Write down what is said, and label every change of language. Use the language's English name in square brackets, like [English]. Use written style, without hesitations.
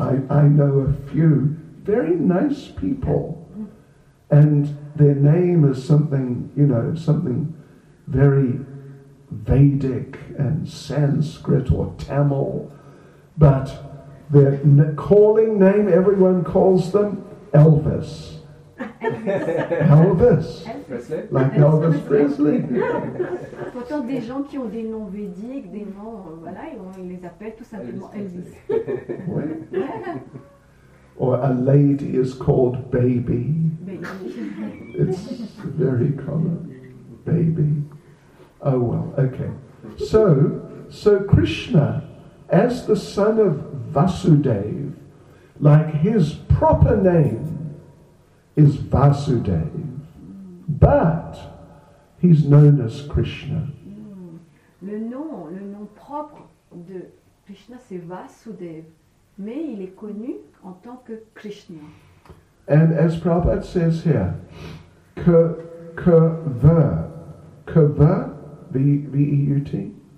[English] I know a few very nice people, and their name is something, you know, something very Vedic and Sanskrit or Tamil, but their calling name, everyone calls them Elvis. Elvis. Like Elvis Presley. [French] Pourtant, des gens qui ont des noms védiques, des noms, voilà, on les appelle tout simplement Elvis. [English] Or a lady is called Baby. It's very common. Baby. Oh well, okay. So Krishna, as the son of Vasudev, like his proper name is Vasudev, but he's known as Krishna. [French] Le nom propre de Krishna, c'est Vasudev, mais il est connu en tant que Krishna. [English] And as Prabhupada says here, V-E-U-T?